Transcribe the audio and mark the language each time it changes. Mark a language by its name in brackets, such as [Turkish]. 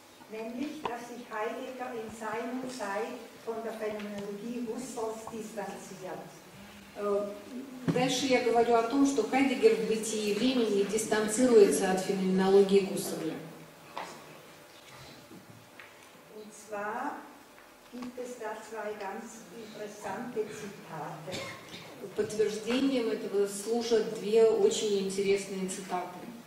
[German] Nämlich, dass sich Heidegger in seiner Zeit von der Phänomenologie Husserls distanziert. [Russian] Дальше я говорю о том, что Хайдеггер в бытии времени дистанцируется от феноменологии Гуссерля. [German] Und zwar gibt es da zwei ganz interessante Zitate. [Russian] Подтверждением этого служат две очень интересные цитаты.